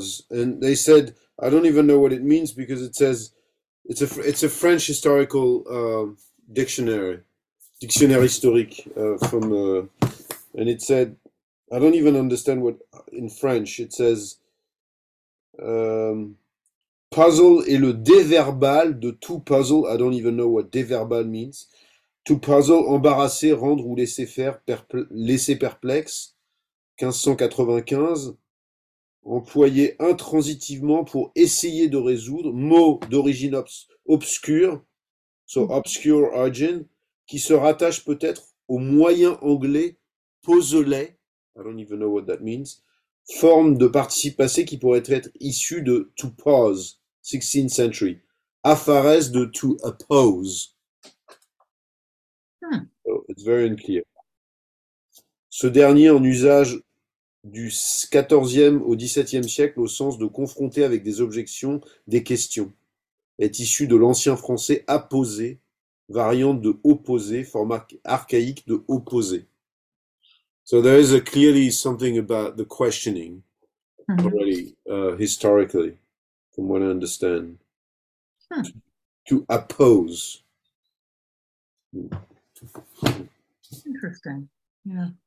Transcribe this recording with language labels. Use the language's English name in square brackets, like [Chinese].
[English] And they said, I don't even know what it means, because it says it's a French historical dictionary. [French] Dictionnaire historique [English] and it said, I don't even understand what in French it says. [French] Puzzle est le déverbal de tout puzzle. [English] I don't even know what déverbal means. [French] To puzzle, embarrasser, rendre ou laisser faire, laisser perplexe. 1595. Employé intransitivement pour essayer de résoudre. Mot d'origine obscure. [English] So obscure origin. [French] Qui se rattache peut-être au moyen anglais puzzle, [English] I don't even know what that means, [French] forme de participe passé qui pourrait être issue de to pause, [English] 16th century, [French] affares de to oppose. Hmm. [English] So it's very unclear. [French] Ce dernier en usage du 14e au 17e siècle au sens de confronter avec des objections, des questions, est issu de l'ancien français apposer. Variante de opposé, format archaïque de opposé. [English] So there is clearly something about the questioning already historically, from what I understand. To oppose. Interesting. Yeah.